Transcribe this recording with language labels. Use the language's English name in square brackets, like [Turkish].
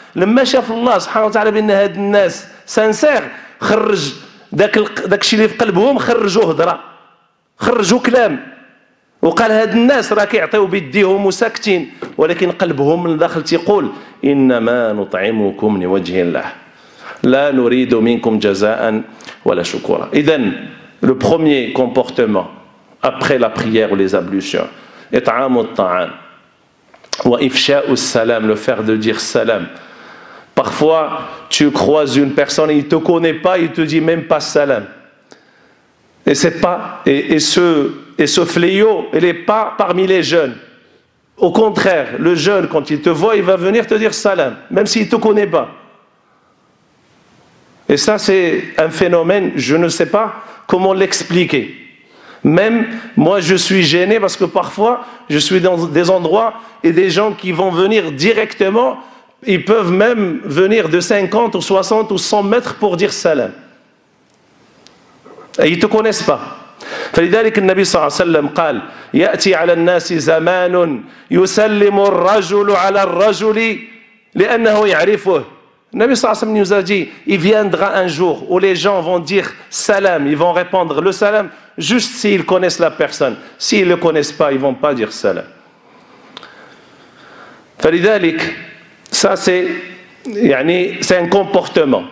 [Arabic] لما شاف الله سبحانه وتعالى بان هاد الناس سانسيغ خرج داك الشيء اللي في قلبهم، خرجوا هضره، خرجوا كلام، وقال هاد الناس راه كيعطيو بيديهم وساكتين ولكن قلبهم من الداخل تيقول انما نطعمكم لوجه الله لا نريد منكم جزاء ولا شكورا. اذا [French] لو بروميي كومبورتمون ابخي لا بريير و لي ابلوسيون، [Arabic] إطعام الطعام وإفشاء السلام, [French] le fait de dire salam. Parfois, tu croises une personne, il ne te connaît pas, il ne te dit même pas salam. Et c'est pas, et ce fléau, il n'est pas parmi les jeunes. Au contraire, le jeune, quand il te voit, il va venir te dire salam, même s'il ne te connaît pas. Et ça, c'est un phénomène, je ne sais pas comment l'expliquer. Même moi, je suis gêné parce que parfois, je suis dans des endroits et des gens qui vont venir directement, ils peuvent même venir de 50 ou 60 ou 100 mètres pour dire salam. Et ils ne te connaissent pas. [Arabic] فلذلك النبي صلى الله عليه وسلم قال يأتي على الناس زمان يسلم الرجل على الرجل لأنه يعرفه. النبي صلى الله عليه وسلم [French] il viendra un jour où les gens vont dire salam, ils vont répondre le salam juste s'ils connaissent la personne. S'ils ne le connaissent pas, ils ne vont pas dire salam. [Arabic] فلذلك [French] ça c'est [Arabic] يعني, [French] c'est un comportement.